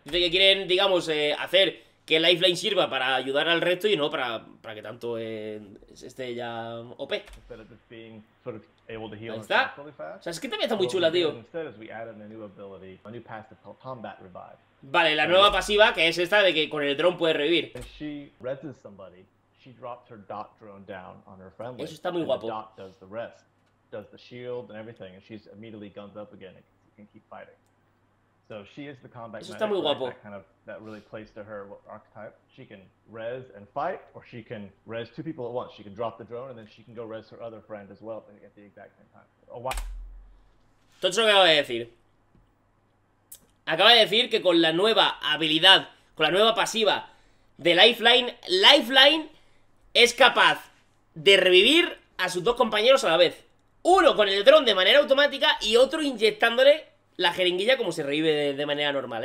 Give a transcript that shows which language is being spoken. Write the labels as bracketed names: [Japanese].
[Spanish] Dice que quieren, digamos, hacer que Lifeline sirva para ayudar al resto y no para, para que tanto esté ya OP. [English] Instead of just being sort of able to heal [Spanish] ahí está. [English] Really fast, [Spanish] o sea, es que también está muy chula, tío. [English] Instead, we added a new ability, a new passive called Combat Revive. [Spanish] Vale, la nueva pasiva, que es esta de que con el drone puede revivir. [English] She reses somebody, she drops her dot drone down on her friendly. [Spanish] Eso está muy guapo. [English] And the dot does the rest, does the shield and everything, and she's immediately guns up again and can keep fighting. So she is the combat [Spanish] eso [English] medic, [Spanish] está muy guapo. [English] Right? That really plays to her archetype. She can res and fight, or she can res two people at once. She can drop the drone and then she can go res her other friend as well at the exact same time. Oh, wow. [Spanish] Entonces, lo que acaba de decir. Acaba de decir que con la nueva habilidad, con la nueva pasiva de Lifeline, Lifeline es capaz de revivir a sus dos compañeros a la vez. Uno con el drone de manera automática y otro inyectándole la jeringuilla como se revive de manera normal.